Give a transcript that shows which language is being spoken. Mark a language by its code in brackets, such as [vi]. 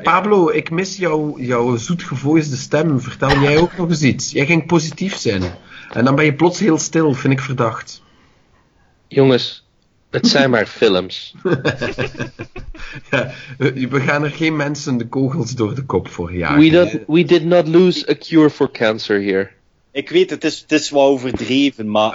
[nl] Pablo, ik mis jouw zoetgevoelige stem. Vertel jij ook nog eens iets. Jij ging positief zijn. En dan ben je plots heel stil, vind ik verdacht. Jongens, het zijn maar films. Ja, we gaan er geen mensen de kogels door de kop voor jagen. [en] We did not lose a cure for cancer here. [nl] Ik weet, het is wel overdreven, maar...